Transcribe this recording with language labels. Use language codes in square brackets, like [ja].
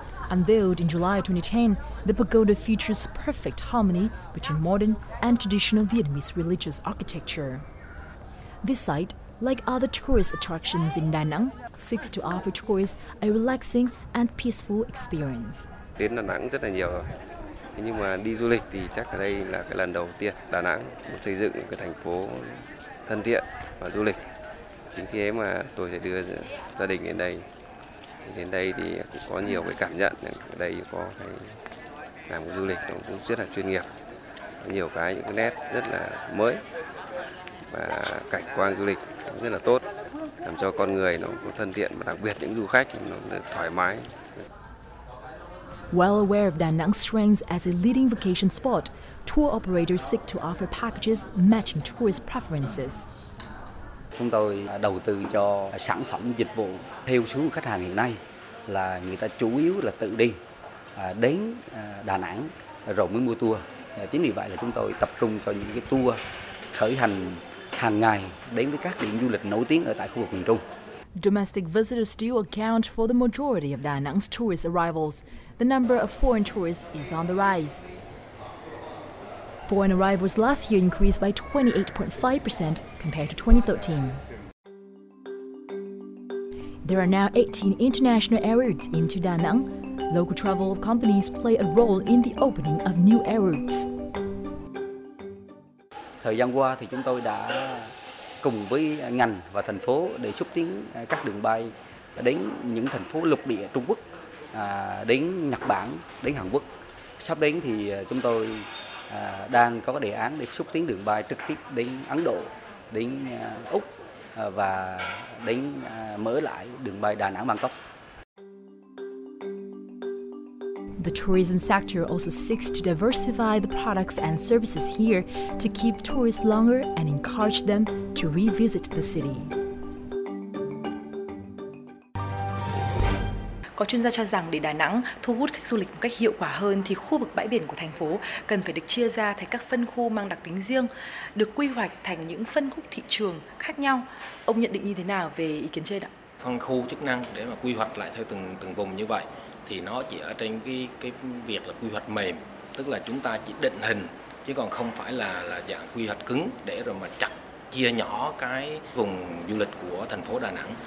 [en] Unveiled in July 2010, the pagoda features a perfect harmony between modern and traditional Vietnamese religious architecture. This site, like other tourist attractions in Da Nang, seeks to offer tourists a relaxing and peaceful experience. [vi] Đến Da Nang rất là nhiều, nhưng mà đi du lịch thì chắc ở đây là cái lần đầu tiên Da Nang muốn xây dựng một cái thành phố thân thiện và du lịch. Chính thế mà tôi sẽ đưa gia đình đến đây. Đến đây thì cũng có nhiều cái cảm nhận, ở đây có cái làm du lịch nó cũng rất là chuyên nghiệp, nhiều cái những cái nét rất là mới và cảnh quan du lịch cũng rất là tốt, làm cho con người nó cũng thân thiện, và đặc biệt những du khách nó thoải mái. [en] Well aware of Da Nang's strengths as a leading vacation spot, tour operators seek to offer packages matching tourist preferences. [vi] Chúng tôi đầu tư cho sản phẩm dịch vụ theo số khách hàng hiện nay là người ta chủ yếu là tự đi đến Đà Nẵng rồi mới mua tour. Chính vì vậy là chúng tôi tập trung cho những cái tour khởi hành hàng ngày đến với các điểm du lịch nổi tiếng ở tại khu vực miền Trung. [en] Domestic visitors still account for the majority of Da Nẵng's tourist arrivals. The number of foreign tourists is on the rise. Foreign arrivals last year increased by 28.5% compared to 2013. There are now 18 international airroads into Da Nang. Local travel companies play a role in the opening of new airroads. [vi] Thời gian qua thì chúng tôi đã cùng với ngành và thành phố để xúc tiến các đường bay đến những thành phố lục địa Trung Quốc, đến Nhật Bản, đến Hàn Quốc. Sắp đến thì chúng tôi đang có đề án để xúc tiến đường bay trực tiếp đến Ấn Độ, đến Úc và đến mở lại đường bay Đà Nẵng Bangkok. [en] The tourism sector also seeks to diversify the products and services here to keep tourists longer and encourage them to revisit the city. [vi] Có chuyên gia cho rằng để Đà Nẵng thu hút khách du lịch một cách hiệu quả hơn thì khu vực bãi biển của thành phố cần phải được chia ra thành các phân khu mang đặc tính riêng, được quy hoạch thành những phân khúc thị trường khác nhau. Ông nhận định như thế nào về ý kiến trên ạ? Phân khu chức năng để mà quy hoạch lại theo từng vùng như vậy thì nó chỉ ở trên cái việc là quy hoạch mềm, tức là chúng ta chỉ định hình chứ còn không phải là dạng quy hoạch cứng để rồi mà chặt chia nhỏ cái vùng du lịch của thành phố Đà Nẵng.